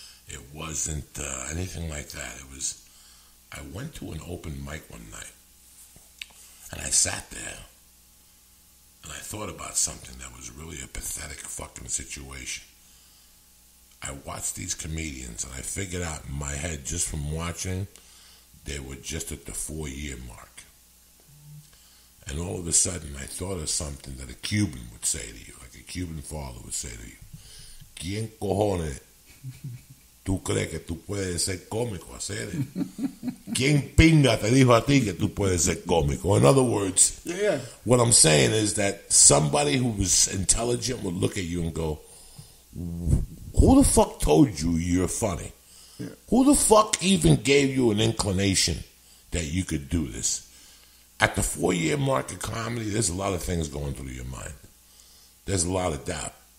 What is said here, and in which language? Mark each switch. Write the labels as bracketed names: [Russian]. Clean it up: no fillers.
[English] It wasn't anything like that. It was, I went to an open mic one night, and I sat there, and I thought about something that was really a pathetic fucking situation. I watched these comedians, and I figured out in my head, just from watching, they were just at the 4-year mark. And all of a sudden, I thought of something that a Cuban would say to you, like a Cuban father would say to you. [Spanish] ¿Quién cojones tú crees que tú puedes ser cómico, hacer? ¿Quién pinga te dijo a ti que tú puedes ser cómico? [English] In other words, what I'm saying is that somebody who was intelligent would look at you and go, who the fuck told you you're funny? Yeah. Who the fuck even gave you an inclination that you could do this? At the 4-year mark of comedy, there's a lot of things going through your mind. There's a lot of doubt.